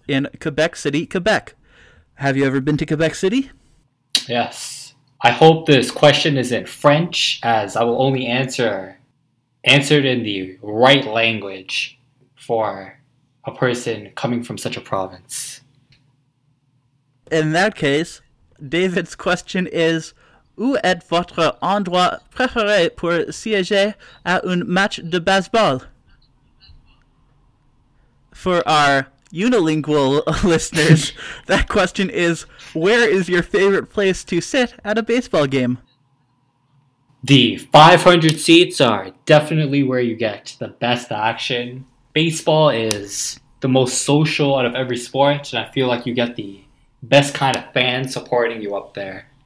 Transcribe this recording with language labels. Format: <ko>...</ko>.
<en>in Quebec City, Quebec. Have you ever been to Quebec City? Yes. I hope this question is in French, as I will only answer it in the right language for a person coming from such a province. In that case, David's question is,</en> <fr>où est votre endroit préféré pour siéger à un match de baseball?</fr> <en>For our unilingual listeners, that question is, where is your favorite place to sit at a baseball game? The 500 seats are definitely where you get the best action. Baseball is the most social out of every sport, and I feel like you get the best kind of fans supporting you up there.</en>